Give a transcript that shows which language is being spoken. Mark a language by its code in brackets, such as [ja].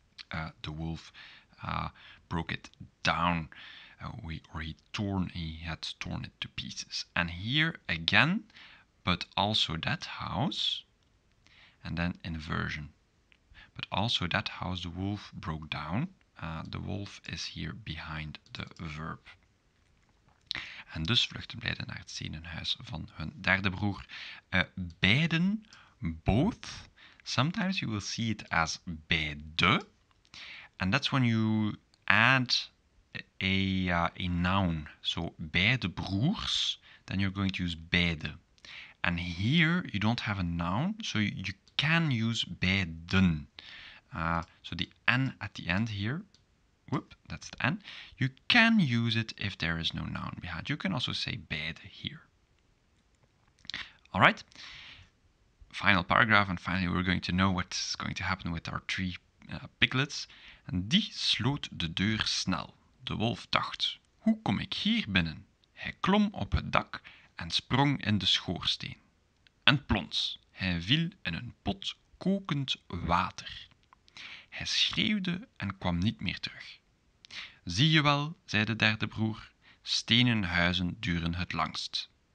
[en] The wolf broke it down. He had torn it to pieces. And here again, but also that house, and then inversion. But also that house, the wolf broke down. The wolf is here behind the verb. [nl] En dus vluchten beiden naar het ziekenhuis van hun derde broer. [en] Beiden, both. Sometimes you will see it as beide. And that's when you add a noun. So beide broers, then you're going to use beide. And here you don't have a noun, so you can use beiden. So the N at the end here, whoop, that's the N. You can use it if there is no noun behind. You can also say bed here. All right, final paragraph. And finally, we're going to know what's going to happen with our three piglets. [nl] And die sloot de deur snel. De wolf dacht, hoe kom ik hier binnen? Hij klom op het dak en sprong in de schoorsteen. En plons, hij viel in een pot kokend water. Hij schreeuwde en kwam niet meer terug. Zie je wel, zei de derde broer, stenen huizen duren het langst.